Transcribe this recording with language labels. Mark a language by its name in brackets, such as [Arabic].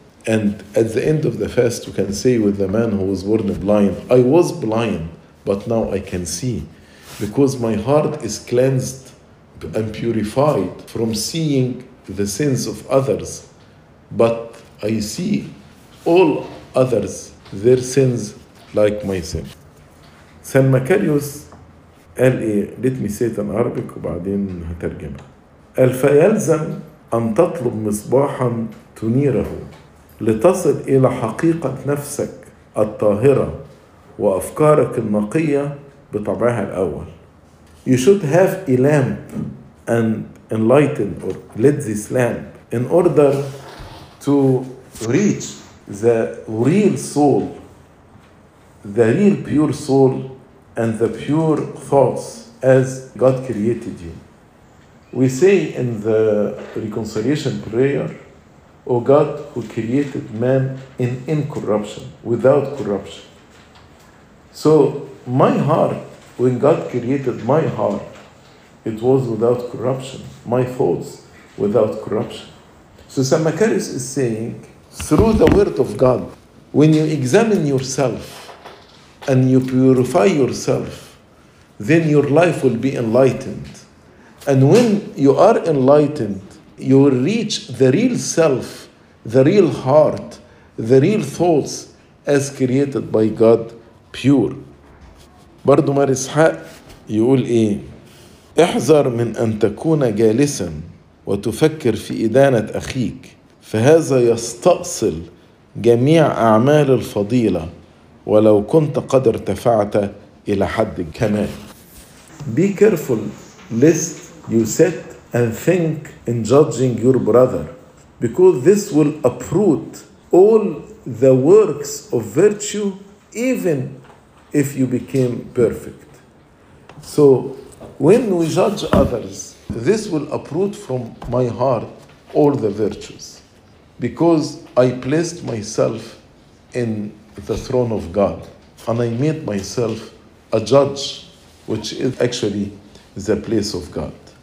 [English] And at the end of the fast, we can say with the man who was born blind, I was blind, but now I can see, because my heart is cleansed and purified from seeing the sins of others. But I see all others, their sins like my sin. San Macarius, let me say it in Arabic, [Arabic] وبعدين هترجم. الفيلزم أن تطلب مصباحا تنيره لتصل إلى حقيقة نفسك الطاهرة وأفكارك النقية بطبعها الأول. [English] You should have a lamp and enlighten or lit this lamp in order to reach the real soul, the real pure soul and the pure thoughts as God created you. We say in the reconciliation prayer, O God who created man in incorruption, without corruption. So my heart, when God created my heart, it was without corruption, my thoughts without corruption. So San Macarius is saying, through the word of God, when you examine yourself and you purify yourself, then your life will be enlightened. And when you are enlightened, you will reach the real self, the real heart, the real thoughts as created by God, pure. [Arabic] برضو مار إسحاق يقول إيه؟ احذر من أن تكون جالساً وتفكر في إدانة أخيك، فهذا يستأصل جميع أعمال الفضيلة ولو كنت قد ارتفعت إلى حد الكمال. [English] Be careful lest you sit and think in judging your brother, because this will uproot all the works of virtue, even if you became perfect. So when we judge others, this will uproot from my heart all the virtues, because I placed myself in the throne of God and I made myself a judge, which is actually the place of God.